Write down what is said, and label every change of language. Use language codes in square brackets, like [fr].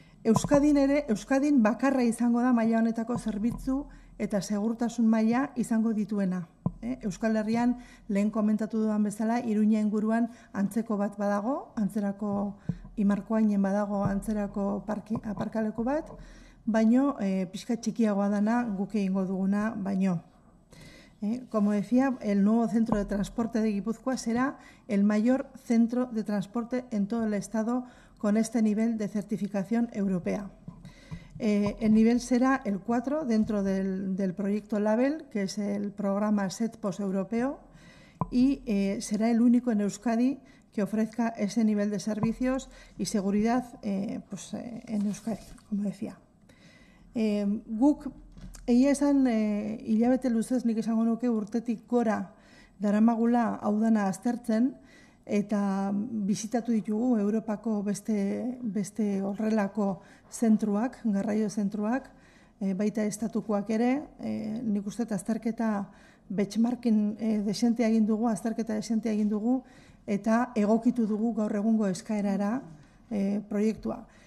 [eu] Euskadin bakarra izango da maila honetako zerbitzu eta segurtasun maila izango dituena. Euskal Herrian lehen komentatu duan bezala Iruña inguruan antzeko bat badago, antzerako Imarkoainen badago antzerako aparkaleko bat, baino pixka txikiagoa dana guk egingo duguna baino. [es] Como decía, el nuevo centro de transporte de Gipuzkoa será el mayor centro de transporte en todo el estado con este nivel de certificación europea. El nivel será el 4 dentro del proyecto Label, que es el programa SETPOS europeo, y será el único en Euskadi que ofrezca ese nivel de servicios y seguridad en Euskadi, como decía. [eu] Guk, egia esan, hilabete luzez nik esango nuke urtetik gora daramagula hau dana aztertzen, eta bizitatu ditugu Europako beste horrelako zentruak, garraio zentruak, baita estatukoak ere, nik uste azterketa benchmarkin desentea egin dugu, eta egokitu dugu gaur egungo eskaerara proiektua.